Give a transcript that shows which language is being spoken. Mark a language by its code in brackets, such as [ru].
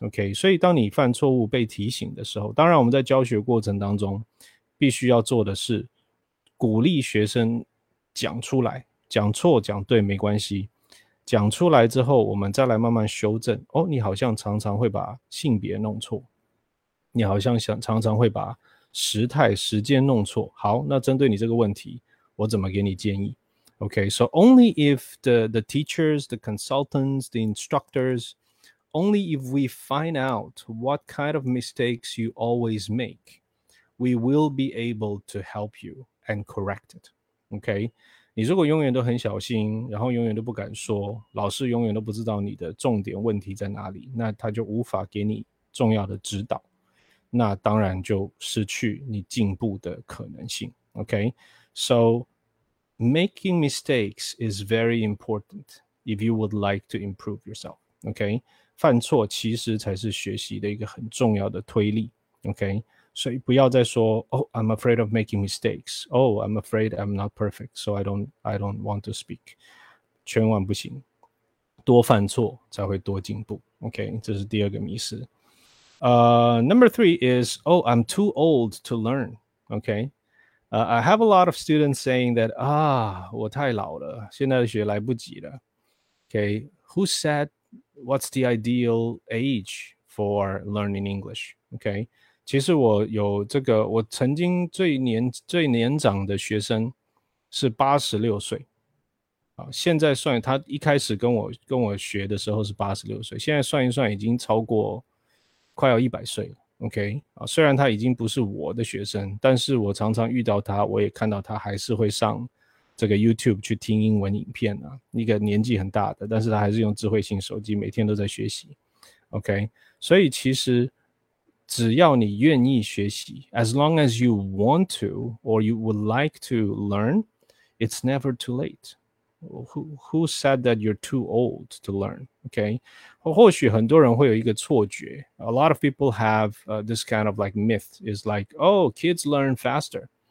[zh] Okay, 所以当你犯错误被提醒的时候，当然我们在教学过程当中必须要做的是鼓励学生讲出来，讲错讲对没关系，讲出来之后我们再来慢慢修正。哦，你好像常常会把性别弄错，你好像常常会把时态时间弄错，好，那针对你这个问题我怎么给你建议。 [en] OK, so only if the teachers, the consultants, the instructors, only if we find out what kind of mistakes you always make, we will be able to help you and correct it. [zh] OK, 你如果永远都很小心，然后永远都不敢说，老师永远都不知道你的重点问题在哪里，那他就无法给你重要的指导，那当然就失去你进步的可能性。 [en] OK,So, making mistakes is very important if you would like to improve yourself. [zh] Okay, 犯错其实才是学习的一个很重要的推力。 [en] Okay, [zh] 所以不要再说 [en] ，Oh, I'm afraid of making mistakes. Oh, I'm afraid I'm not perfect, so I don't want to speak. [zh] 千万不行，多犯错才会多进步。 Okay, 这是第二个迷思。 [en] Number three is, Oh, I'm too old to learn. Okay. I have a lot of students saying that, [zh] 啊，我太老了，现在学来不及了。 [en] Okay, who said what's the ideal age for learning English? [zh] Okay, 其实我有这个，我曾经最年长的学生是86岁。现在算，他一开始跟我学的时候是86岁，现在算一算已经超过快要100岁了。 OK, 虽然他已经不是我的学生，但是我常常遇到他，我也看到他还是会上这个 YouTube 去听英文影片啊，一个年纪很大的，但是他还是用智慧型手机每天都在学习。 [en] OK, [zh] 所以其实只要你愿意学习， [en] As long as you want to or you would like to learn, it's never too late. Who said that you're too old to learn? OK? [zh] 或许很多人会有一个错觉， [en] A lot of people have this kind of like myth is like, oh, kids learn faster.